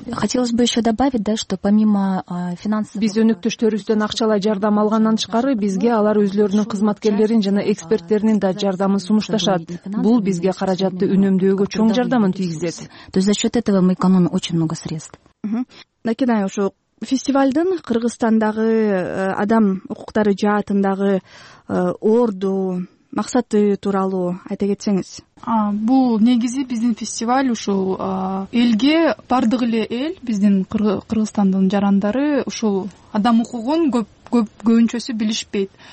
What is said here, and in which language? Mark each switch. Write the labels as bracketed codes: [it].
[ru] Хотелось бы еще добавить, да, что помимо финансовых... [ky] Биз өнүктөштөрүбүздөн акчалай жардам алгандан тышкары, бизге алар өзлөрүнүн кызматкерлерин жана эксперттеринин да жардамын сунушташат. Бул бизге каражатты үнөмдөөгө чоң жардамын тийгизет. [ru] То есть за счет этого мы экономим очень много средств. [ky] Накидай ошо фестивалдын Кыргызстандагы адам укуктары жаатындагы орду, максаты тууралуу айта кетсеңиз. Бул негизи биздин фестиваль ушул элге бардык эле эл биздин Кыргызстандын жарандары ушул адам укугун көбүнчөсү билишпейт.